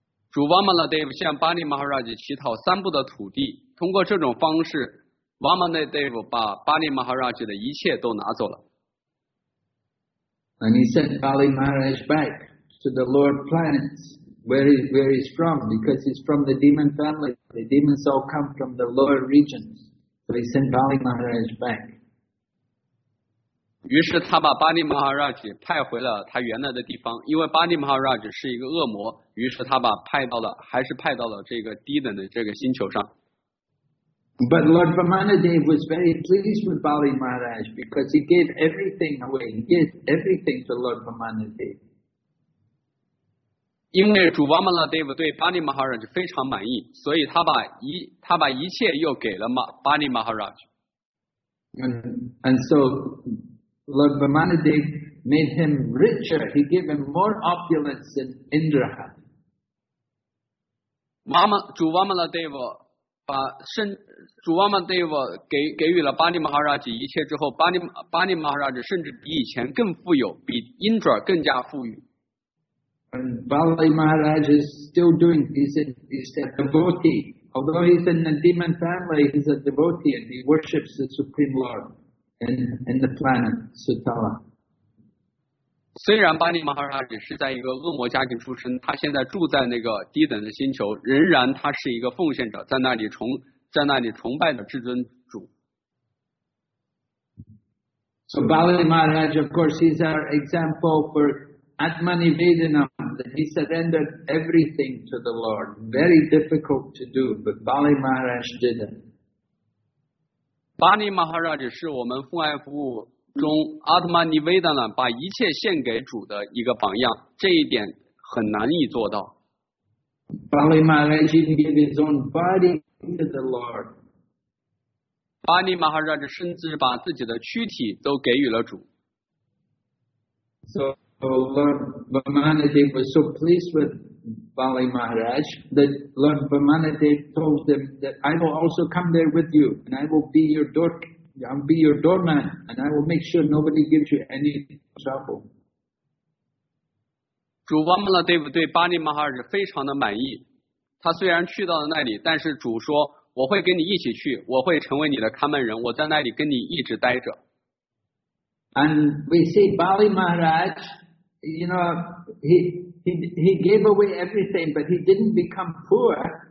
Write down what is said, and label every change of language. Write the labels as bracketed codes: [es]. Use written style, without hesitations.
[zh] 主 Vamanadev 向 Bali Maharaj 乞讨三步的土地，通过这种方式 ，Vamanadev 把 Bali Maharaj 的一切都拿走了。 [en] And he sent Bali Maharaj back to the lower planets where he's from, because he's from the demon family. The demons all come from the lower regions. So he sent Bali Maharaj back. [zh] 于是他把巴尼马哈拉吉派回了他原来的地方，因为巴尼马哈拉吉是一个恶魔，于是他把派到了这个低等的这个星球上。 [en] But Lord Vamanadev was very pleased with Bali Maharaj because he gave everything away. He gave everything to Lord Vamanadev. [zh] 因为主 Vamanadev 对巴尼马哈拉吉非常满意，所以他把一切又给了巴尼马哈拉吉。 [en] And so. Lord Vamanadev made him richer. He gave him more opulence than Indra had. [zh] Lord Vamanadev 给予了巴尼马哈拉吉一切之后，巴尼马哈拉吉甚至比以前更富有，比 Indra 更加富裕。 [en] And Bali Maharaj is still doing. He's a devotee. Although he's in the demon family, he's a devotee and he worships the Supreme Lord. and the planet Sutala. [zh] 虽然巴尼马哈拉也是在一个恶魔家庭出身，他现在住在那个低等的星球，仍然他是一个奉献者，在那里崇拜的至尊主。 [en] So Bali Maharaj, of course, is our example for Atmanivedana, that he surrendered everything to the Lord. Very difficult to do, but Bali Maharaj did it. [zh] Bali Maharaj 是我们父爱服务中 Atmanivedana 把一切献给主的一个榜样，这一点很难以做到。 [en] Bali Maharaj even gave his own body to the Lord. [zh] 巴尼马哈拉这甚至把自己的躯体都给予了主。 [en] So Lord Vamanadeva was so pleased with Bali Maharaj that Lord Vamanadeva told them that I will also come there with you and I will be your door, I'll be your doorman and I will make sure nobody gives you any trouble. [zh] 主 Vamanadeva 对巴尼马哈拉非常的满意，他虽然去到了那里，但是主说。我会跟你一起去，我会成为你的看门人，我在那里跟你一直待着。 [en] And we see Bali Maharaj, you know, he gave away everything, but he didn't become poor.